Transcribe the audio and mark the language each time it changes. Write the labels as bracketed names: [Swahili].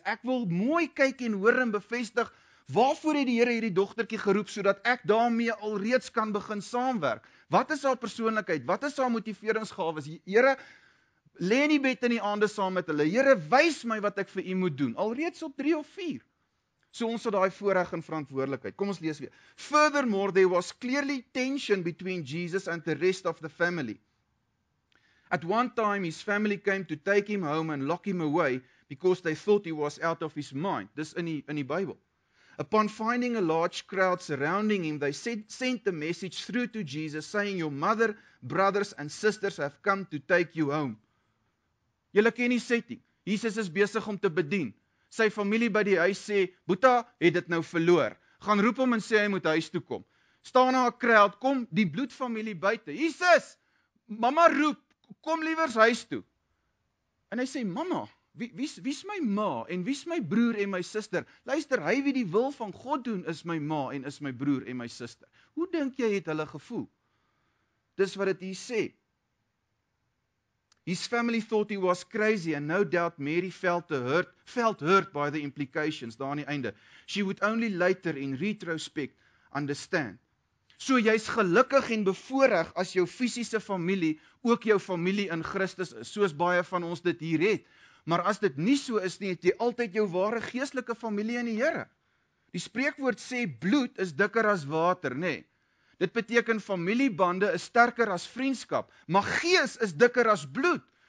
[Afrikaans] Ek wil mooi kyk en hoor en bevestig waarvoor het die Here hierdie dogtertjie geroep sodat ek daarmee alreeds kan begin saamwerk. Wat is haar persoonlikheid? Wat is haar motiveringsgawes? Here, lê in die bed in die aande saam met hulle. Here, wys my wat ek vir u moet doen. Alreeds op 3 of 4. So ons het daai voorreg en verantwoordelikheid. Kom ons lees weer. [English] Furthermore, there was clearly tension between Jesus and the rest of the family. At one time his family came to take him home and lock him away because they thought he was out of his mind. [Afrikaans] Dis in die Bybel. [English] Upon finding a large crowd surrounding him, they sent the message through to Jesus saying, your mother, brothers and sisters have come to take you home. [Afrikaans] Julle ken die setting. Jesus is besig om te bedien. Sy familie by die huis sê, Boeta het dit nou verloor. Gaan roep hom en sê hy moet huis toe kom. Staan na 'n crowd, kom die bloedfamilie buite. Jesus, mama roep, kom liewers huis toe. En hy sê, mama, Wie is my ma en wie is my broer en my suster? Luister, hy wie die wil van God doen is my ma en is my broer en my suster. Hoe dink jy het hulle gevoel? Dis wat het hy sê. [English] His family thought he was crazy and no doubt Mary felt hurt by the implications [Afrikaans] daar aan die einde. [English] She would only later in retrospect understand. [Afrikaans] So jy's gelukkig en bevoorreg as jou fisiese familie ook jou familie in Christus is, soos baie van ons dit hier het. Maar as dit nie so is nie, het jy altyd jou ware geestelike familie in die Here. Die spreekwoord sê, bloed is dikker as water, nê? Dit beteken familiebande is sterker as vriendskap, maar gees is dikker as bloed.